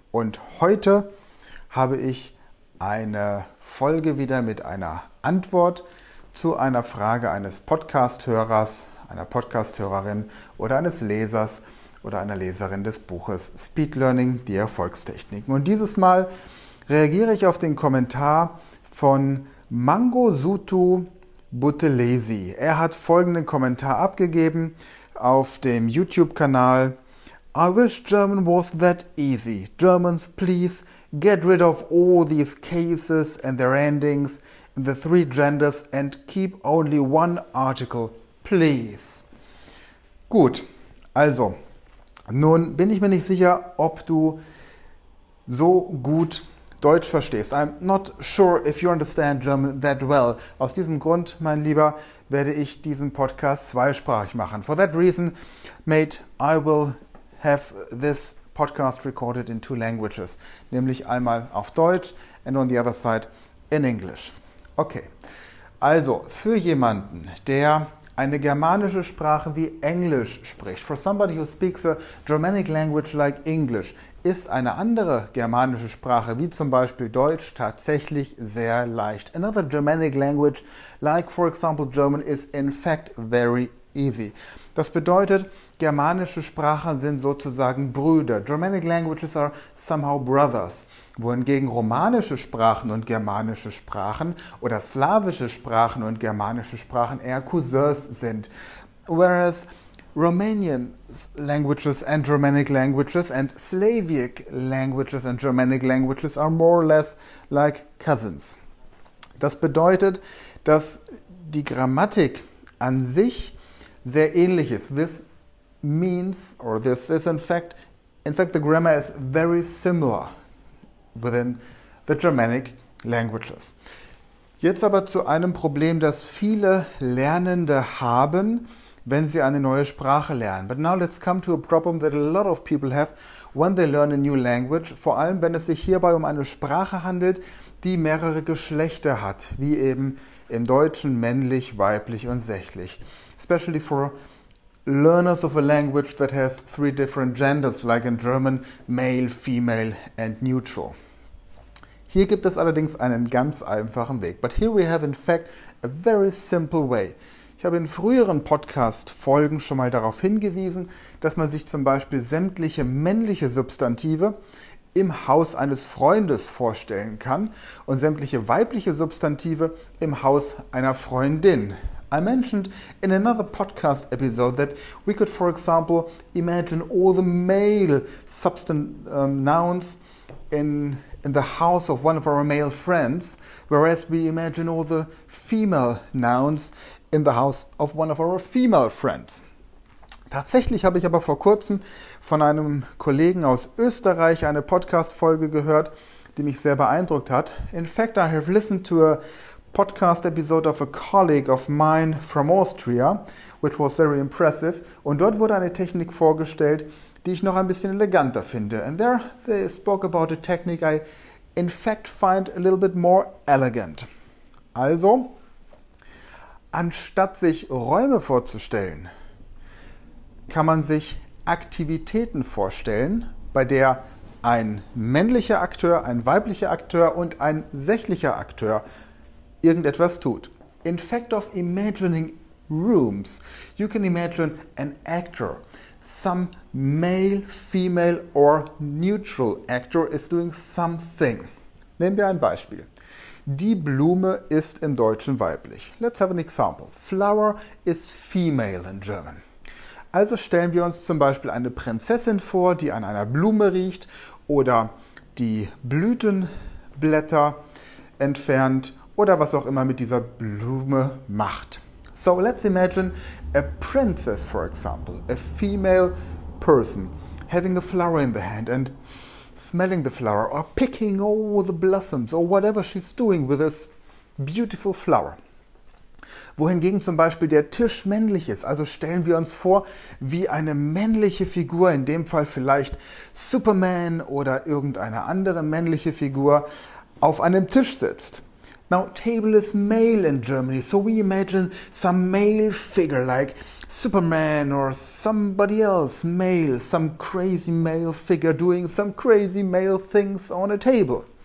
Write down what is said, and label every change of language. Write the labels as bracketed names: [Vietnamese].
[German] Und heute habe ich eine Folge wieder mit einer Antwort zu einer Frage eines Podcast-Hörers, einer Podcast-Hörerin oder eines Lesers oder einer Leserin des Buches Speed Learning, die Erfolgstechniken. Und dieses Mal reagiere ich auf den Kommentar von Mangosuthu Buthelezi. Er hat folgenden Kommentar abgegeben auf dem YouTube-Kanal. [English] I wish German was that easy. Germans, please get rid of all these cases and their endings in the three genders and keep only one article, please. [German] Gut, also, nun bin ich mir nicht sicher, ob du so gut Deutsch verstehst. [English] I'm not sure if you understand German that well. [German] Aus diesem Grund, mein Lieber, werde ich diesen Podcast zweisprachig machen. [English] For that reason, mate, I will have this podcast recorded in two languages. [German] Nämlich einmal auf Deutsch [English] and on the other side in English. Okay. [German] Also, für jemanden, der eine germanische Sprache wie Englisch spricht. [English] For somebody who speaks a Germanic language like English, [German] ist eine andere germanische Sprache, wie zum Beispiel Deutsch, tatsächlich sehr leicht. [English] Another Germanic language, like for example German, is in fact very easy. [German] Das bedeutet, germanische Sprachen sind sozusagen Brüder. [English] Germanic languages are somehow brothers. [German] Wohingegen romanische Sprachen und germanische Sprachen oder slawische Sprachen und germanische Sprachen eher Cousins sind. [English] Whereas Romanian languages and Germanic languages and Slavic languages and Germanic languages are more or less like cousins. [German] Das bedeutet, dass die Grammatik an sich sehr ähnlich ist. [English] This means, or this is in fact the grammar is very similar within the Germanic languages. [German] Jetzt aber zu einem Problem, das viele Lernende haben, wenn sie eine neue Sprache lernen. [English] But now let's come to a problem that a lot of people have when they learn a new language, [German] vor allem wenn es sich hierbei um eine Sprache handelt, die mehrere Geschlechter hat, wie eben im Deutschen männlich, weiblich und sächlich. [English] Especially for learners of a language that has three different genders, like in German, male, female and neutral. [German] Hier gibt es allerdings einen ganz einfachen Weg. [English] But here we have in fact a very simple way. [German] Ich habe in früheren Podcast-Folgen schon mal darauf hingewiesen, dass man sich zum Beispiel sämtliche männliche Substantive im Haus eines Freundes vorstellen kann und sämtliche weibliche Substantive im Haus einer Freundin. [English] I mentioned in another podcast episode that we could, for example, imagine all the male nouns in the house of one of our male friends, whereas we imagine all the female nouns in the house of one of our female friends. [German] Tatsächlich habe ich aber vor kurzem von einem Kollegen aus Österreich eine Podcast-Folge gehört, die mich sehr beeindruckt hat. [English] In fact, I have listened to a podcast episode of a colleague of mine from Austria, which was very impressive. [German] Und dort wurde eine Technik vorgestellt, die ich noch ein bisschen eleganter finde. [English] And there they spoke about a technique I in fact find a little bit more elegant. [German] Also, anstatt sich Räume vorzustellen, kann man sich Aktivitäten vorstellen, bei der ein männlicher Akteur, ein weiblicher Akteur und ein sächlicher Akteur irgendetwas tut. [English] In fact of imagining rooms, you can imagine an actor. Some male, female or neutral actor is doing something. [German] Nehmen wir ein Beispiel. Die Blume ist im Deutschen weiblich. [English] Let's have an example. Flower is female in German. [German] Also stellen wir uns zum Beispiel eine Prinzessin vor, die an einer Blume riecht oder die Blütenblätter entfernt oder was auch immer mit dieser Blume macht. [English] So let's imagine a princess, for example, a female person having a flower in the hand and smelling the flower or picking all the blossoms or whatever she's doing with this beautiful flower. [German] Wohingegen zum Beispiel der Tisch männlich ist. Also stellen wir uns vor, wie eine männliche Figur, in dem Fall vielleicht Superman oder irgendeine andere männliche Figur, auf einem Tisch sitzt. [English] Now, table is male in Germany, so we imagine some male figure like Superman or somebody else male, some crazy male figure doing some crazy male things on a table.